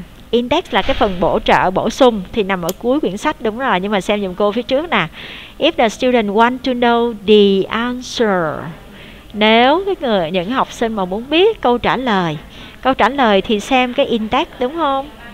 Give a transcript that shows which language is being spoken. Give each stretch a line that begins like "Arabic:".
Vietnamese: Index là cái phần bổ trợ, bổ sung thì nằm ở cuối quyển sách, đúng rồi. Nhưng mà xem giùm cô phía trước nè.
English: If the student want to know the answer.
Vietnamese: Nếu cái người, những học sinh mà muốn biết câu trả lời. Câu trả lời thì xem cái index, đúng không?